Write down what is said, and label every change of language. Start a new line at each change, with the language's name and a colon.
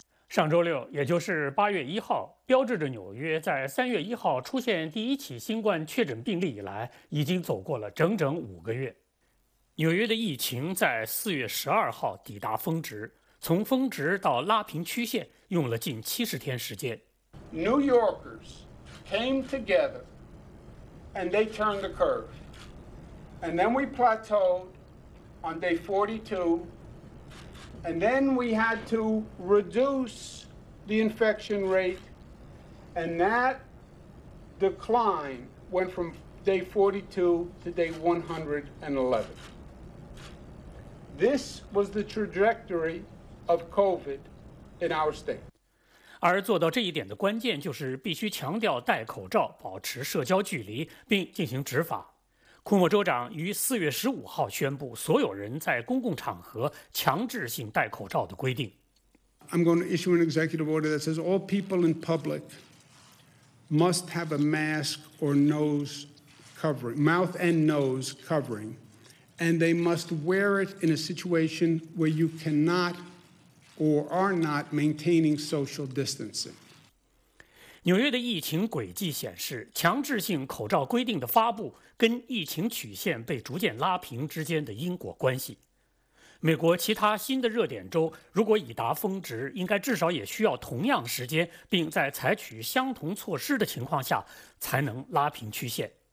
Chinese: 上周六，也就是8月1号，标志着纽约在3月1号出现第一起新冠确诊病例以来，已经走过了整整5个月。纽约的疫情在4月12号抵达峰值，从峰值到拉平曲线用了近70天时间。
English: New Yorkers came together and they turned the curve, and then we plateaued on day 42. And then we had to reduce the infection rate, and that decline went from day 42 to day 111. This was the trajectory of COVID in our state.
Chinese: 而做到这一点的关键就是必须强调戴口罩、保持社交距离，并进行执法。库莫州长于4月15号宣布所有人在公共场合强制性戴口罩的规定。
English: I'm going to issue an executive order that says all people in public must have a mask or nose covering, mouth and nose covering, and they must wear it in a situation where you cannot or are not maintaining social distancing.
Chinese: 纽约的疫情轨迹显示，强制性口罩规定的发布跟疫情曲线被逐渐拉平之间的因果关系。美国其他新的热点州如果已达峰值，应该至少也需要同样时间，并在采取相同措施的情况下才能拉平曲线。